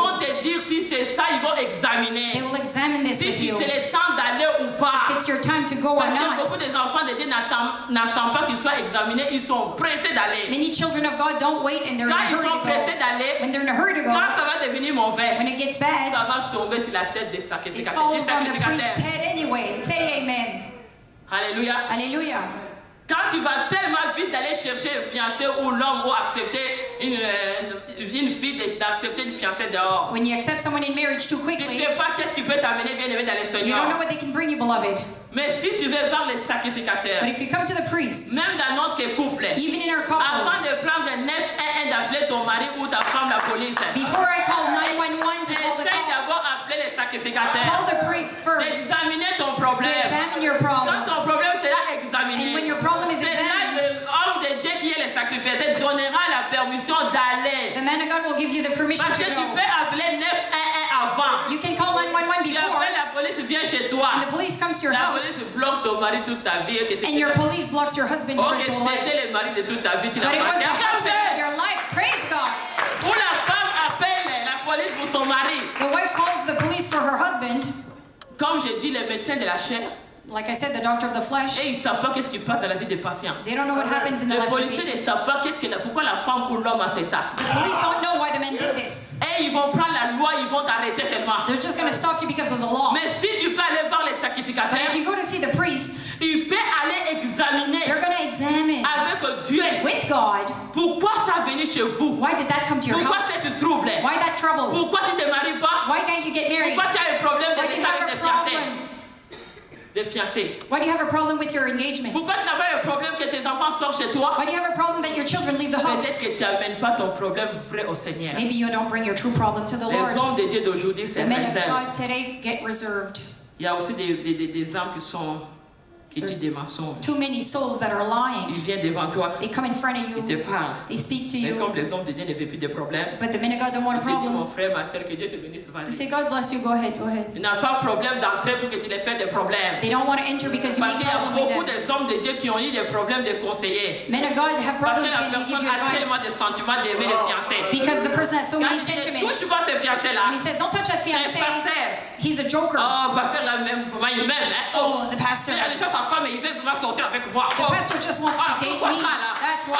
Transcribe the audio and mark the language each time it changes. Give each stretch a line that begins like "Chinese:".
French: Ils vont te dire si c'est ça, ils vont examiner.
English: They will examine this
French: si
English: with you.
French: Si c'est le temps d'aller ou pas.
English: If it's your time to go or not.
French: Beaucoup des enfants de Dieu n'attendent pas qu'ils soient examinés, ils sont pressés d'aller.
English: Many children of God don't wait and they're in a hurry to go.
French: Quand ils sont pressés d'aller,
English: when they're in a hurry to go,
French: quand ça va devenir mauvais,
English: when it gets bad,
French: ça va tomber sur la tête des sacrificateurs.
English: It falls on the priest's head anyway. Say amen. Alléluia. Alléluia.
French: Quand tu vas tellement vite d'aller chercher un fiancé ou l'homme ou accepter une fille d'accepter une fiancée dehors.
English: When you accept someone in marriage too quickly,
French: tu ne sais pas qu'est-ce qui peut t'amener bien aimé dans le Seigneur.
English: You don't know what they can bring you, beloved.
French: Mais si tu veux voir les sacrificateurs,
English: but if you come to the priest,
French: même dans notre couple,
English: even in our couple,
French: avant de prendre un 911 d'appeler ton mari ou ta femme la police,
English: before I call 911 to call the cops,
French: d'abord appeler les sacrificateurs,
English: call the priest first,
French: d'examiner ton problème,
English: to examine your problem.
French: Quand ton problème sera examiné,
English: and when your problem is examined,
French: l'homme de Dieu qui est le sacrificateur donnera la permission d'aller.
English: The man of God will give you the permission to go.
French: Parce que tu peux appeler 911 avant.
English: You can call 911 before.
French: Tu appelles la police vient chez toi.
English: And the police comes to your
French: la
English: house.
French: La police bloque ton mari toute ta vie.
English: And your police blocks your husband for his whole life.
French: C'était le mari de toute ta vie.
English: But it was the husband of your life. Praise God.
French: Ou la femme appelle la police pour son mari.
English: The wife calls the police for her husband.
French: Comme je dis, les médecins de la chair.
English: Like I said, the doctor of the flesh.
French: Et ils savent pas qu'est-ce qui passe dans la vie des patients.
English: They don't know what happens in the life of the patient.
French: Les policiers ne savent pas qu'est-ce que la, pourquoi la femme ou l'homme a fait ça.
English: The police don't know why the men did this.
French: Et ils vont prendre la loi, ils vont t'arrêter seulement.
English: They're just going to stop you because of the law.
French: Mais si tu peux aller voir les sacrificateurs,
English: but if you go to see the priest,
French: il peut aller examiner.
English: They're going to examine
French: avec Dieu.
English: With God.
French: Pourquoi ça venait chez vous?
English: Why did that come to your
French: pourquoi
English: house?
French: Pourquoi cette trouble?
English: Why that trouble?
French: Pourquoi tu te maries pas?
English: Why can't you get married?
French: Pourquoi tu as un problème de l'état de fiancé?
English: Why do you have a problem with your engagement?
French: Pourquoi tu n'as pas un problème que tes enfants sortent chez toi?
English: Why do you have a problem that your children leave the house?
French: Peut-être que tu n'amènes pas ton problème vrai au Seigneur.
English: Maybe you don't bring your true problem to the
French: les
English: Lord.
French: Les hommes de Dieu d'aujourd'hui
English: the men of God today get reserved.
French: Il y a aussi des hommes qui sont qui disent des mensonges.
English: Too many souls that are lying.
French: Ils viennent devant toi.
English: They come in front of you.
French: Ils te parlent.
English: They speak to you.
French: Mais comme les hommes de Dieu ne veulent plus de problèmes.
English: But the men of God don't want a problem.
French: Mon frère, ma sœur, que Dieu te bénisse.
English: They say, God bless you. Go ahead, go ahead.
French: Ils n'ont pas problème d'entrer pour que tu les fasses des problèmes.
English: They don't want to enter because you
French: parce
English: make problems with them.
French: Parce qu'il y a beaucoup de hommes de Dieu qui ont eu des problèmes de conseiller.
English: Men of God have problems and they give you advice.
French: Parce que la personne a tellement de sentiments d'aimer les fiancés.
English: Because the person has so many sentiments.
French: Quand il touche pas ces fiancés là.
English: And he says, don't touch that fiancé.
French: C'est pasteur.
English: He's a joker.
French: Oh, pasteur là même, vraiment il m'aime.
English: Oh, the pastor. The pastor just wants to date me. That's why.